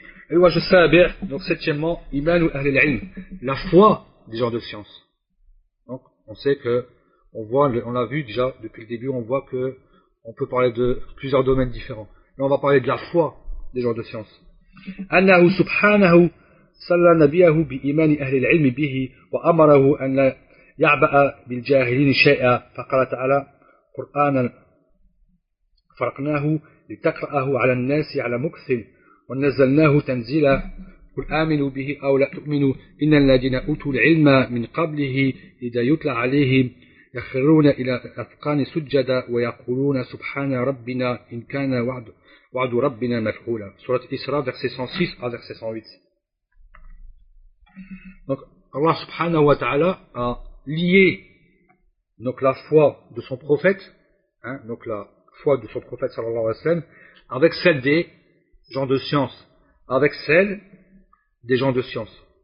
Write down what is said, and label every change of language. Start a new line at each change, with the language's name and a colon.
French: Et moi je sais bien, donc septièmement, iman ou ahl al-ilm, la foi des gens de science. Donc on sait que, on l'a vu déjà depuis le début, on voit que on peut parler de plusieurs domaines différents. Là on va parler de la foi des gens de science.
Arabic: Annahu subhanahu salla nabiyahu bi imani ahl al-ilm bihi wa amarahu an la يعبأ بالجاهلين شيئا فقال تعالى قرآنا فرقناه لتقرأه على الناس على مكث ونزلناه تنزيلا قل آمنوا به أو لا تؤمنوا إن الذين أوتوا العلم من قبله إذا يتلى عليهم يخرون إلى أذقان سجدا ويقولون سبحان ربنا إن كان وعد ربنا مفعولا سورة إسراء
French: verset 106 à verset 108. Donc Allah subhanahu wa ta'ala a lier donc la foi de son prophète, hein, donc la foi de son prophète sallallahu alayhi wa sallam, avec celle des gens de science, avec celle des gens de science.